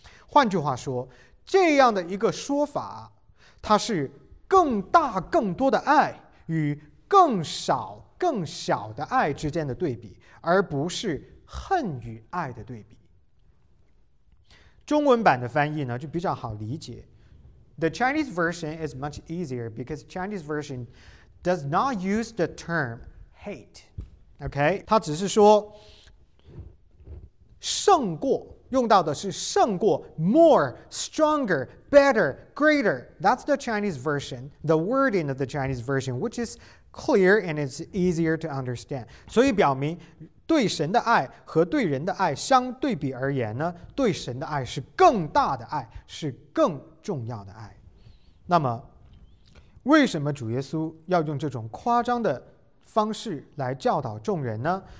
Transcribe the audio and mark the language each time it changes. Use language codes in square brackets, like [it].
[zh] 换句话说，这样的一个说法，它是更大更多的爱与更少更小的爱之间的对比，而不是恨与爱的对比。中文版的翻译呢，就比较好理解。 [en] The Chinese version is much easier because Chinese version does not use the term hate. Okay? [zh] 它只是说胜过，用到的是胜过 [en] more, stronger, better, greater. That's the Chinese version, the wording of the Chinese version, which is clear and it's easier to understand. [zh] 所以表明对神的爱和对人的爱相对比而言呢，对神的爱是更大的爱，是更重要的爱。那么为什么主耶稣要用这种夸张的方式来教导众人呢？